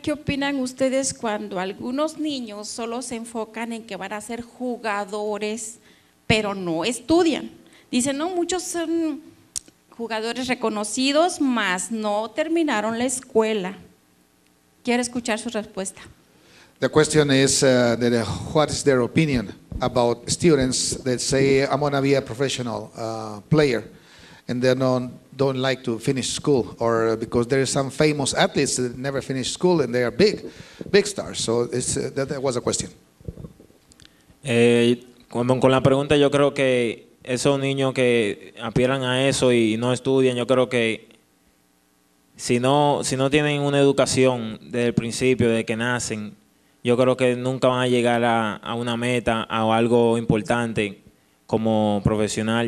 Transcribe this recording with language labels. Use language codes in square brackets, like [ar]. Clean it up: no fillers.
[es] ¿Qué opinan ustedes cuando algunos niños solo se enfocan en que van a ser jugadores, pero no estudian? Dicen, no, muchos son jugadores reconocidos, mas no terminaron la escuela. Quiero escuchar su respuesta. [en] The question is, what is their opinion about students that say, I'm going to be a professional player, and they don't like to finish school, or because there are some famous athletes that never finish school and they are big stars. So it's, that was a question. [es] Con la pregunta, yo creo que esos niños que apelan a eso y no estudian, yo creo que si no tienen una educación desde el principio, desde que nacen, yo creo que nunca van a llegar a una meta o algo importante como profesional.